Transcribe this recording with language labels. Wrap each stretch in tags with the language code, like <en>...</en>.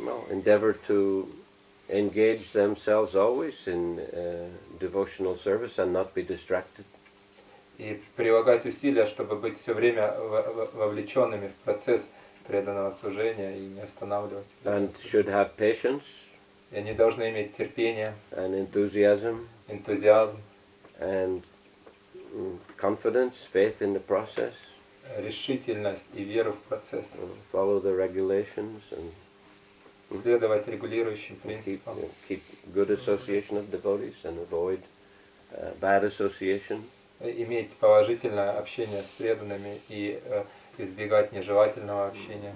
<en>Endeavor to engage themselves always in devotional service and not be distracted.</en> <ru>И прилагать усилия, чтобы быть все время вовлеченными в процесс преданного служения и не останавливать.</ru> <en>And should have patience.</en> <ru>И они должны иметь терпение.</ru> <en>And enthusiasm.</en> <ru>Энтузиазм.</ru> <en>And confidence, faith in the process.</en> <ru>Решительность и веру в процесс.</ru> <en>Follow the regulations and</en> <ru>следовать регулирующим принципам.</ru> <en>Keep good association of devotees and avoid bad association.</en> <ru>Иметь положительное общение с преданными и избегать нежелательного общения.</ru>